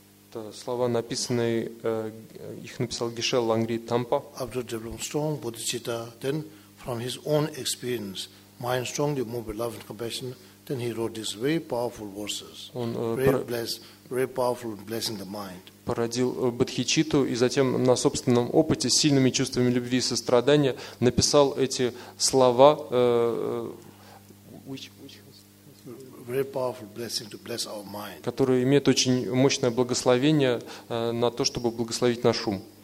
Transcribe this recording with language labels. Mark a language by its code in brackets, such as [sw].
[ru] Это слова, написанные, их написал Гишел Лангри Тампа. [en] After developing strong bodhicitta, then from his own experience, mind strongly moved by love and compassion, then he wrote these very powerful verses. [ru] Он [en] very powerful blessing the mind. [ru] Породил бодхичитту и затем на собственном опыте с сильными чувствами любви и сострадания написал эти слова. [en] Very powerful blessing to bless our mind. [ru] Который имеет очень мощное благословение на то, чтобы благословить наш ум.